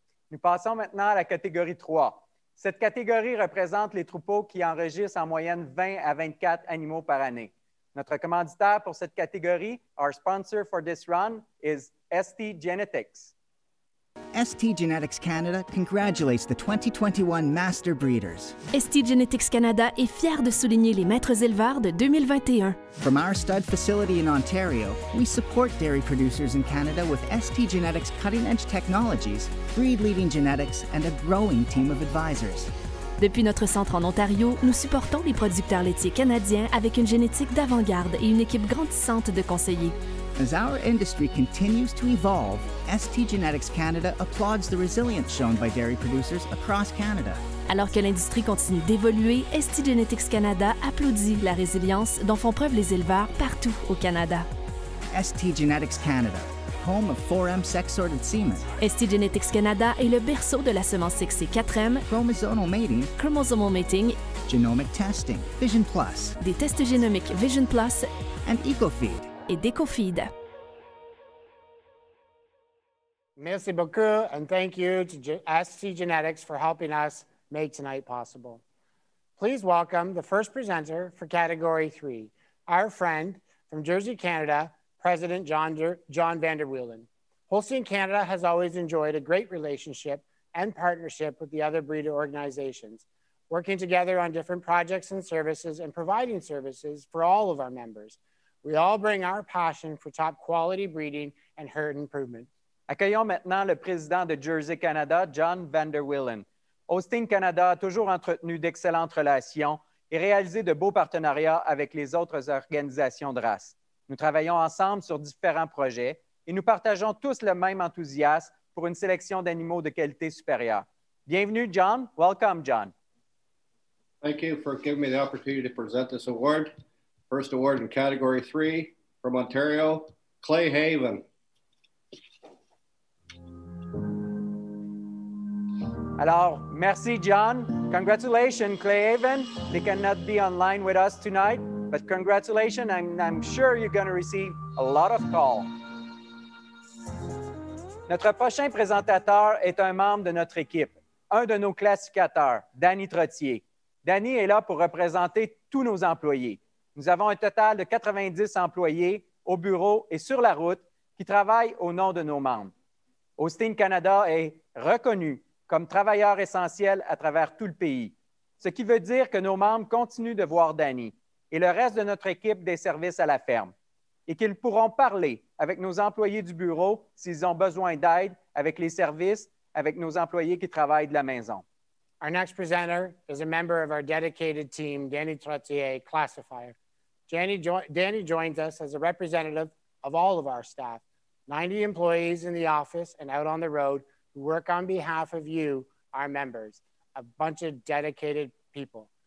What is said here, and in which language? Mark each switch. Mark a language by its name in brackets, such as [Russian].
[French] Nous passons maintenant à la catégorie 3. Cette catégorie représente les troupeaux qui enregistrent en moyenne 20 à 24 animaux par année. Notre commanditaire pour cette catégorie, [English] our sponsor for this run, is ST Genetics. ST Genetics Canada congratulates the 2021 Master Breeders. [French] ST Genetics Canada est fier de souligner les maîtres éleveurs de 2021. [English] From our stud facility in Ontario, we support dairy producers in Canada with ST Genetics cutting-edge technologies, breed-leading genetics, and a growing team of advisors. [French] Depuis notre centre en Ontario, nous supportons les producteurs laitiers canadiens avec une génétique d'avant-garde et une équipe grandissante de conseillers. [English] As our industry continues to evolve, ST Genetics Canada applauds the resilience shown by dairy producers across Canada. [French] Alors que l'industrie continue d'évoluer, ST Genetics Canada applaudit la résilience dont font preuve les éleveurs partout au Canada. [English] ST Genetics Canada, home of 4M sex-sorted semen. [French] ST Genetics Canada est le berceau de la semence sexée 4M, [English] chromosomal mating, genomic testing, Vision Plus, [French] des tests génomiques Vision Plus, [English] and EcoFeed. [French] Et d'EcoFeed. Merci beaucoup [English] and thank you to ST Genetics for helping us make tonight possible. Please welcome the first presenter for Category 3, our friend from Jersey, Canada, President John van der Wielen. Holstein Canada has always enjoyed a great relationship and partnership with the other breeder organizations, working together on different projects and services and providing services for all of our members. We all bring our passion for top quality breeding and herd improvement. [French] Accueillons maintenant le président de Jersey Canada, John van der Wielen. Holstein Canada a toujours entretenu d'excellentes relations et réalisé de beaux partenariats avec les autres organisations de race. Nous travaillons ensemble sur différents projets et nous partageons tous le même enthousiasme pour une sélection d'animaux de qualité supérieure. Bienvenue, John. [English] Welcome, John. Thank you for giving me the opportunity to present this award. First award in category 3 from Ontario, Clay Haven. [French] Alors, merci John. [English] Congratulations, Clay Haven. They cannot be online with us tonight, but congratulations, and I'm sure you're going to receive a lot of calls. [French] Notre prochain présentateur est un membre de notre équipe, un de nos classificateurs, Danny Trottier. Danny est là pour représenter tous nos employés. Nous avons un total de 90 employés au bureau et sur la route qui travaillent au nom de nos membres. Holstein Canada est reconnu comme travailleur essentiel à travers tout le pays, ce qui veut dire que nos membres continuent de voir Danny et le reste de notre équipe des services à la ferme et qu'ils pourront parler avec nos employés du bureau s'ils ont besoin d'aide avec les services, avec nos employés qui travaillent de la maison. [English] Our next presenter is a member of our dedicated team, Danny Trottier, classifier. Danny joins us as a representative of all of our staff, 90 employees in the office and out on the road who work on behalf of you, our members, a bunch of dedicated people.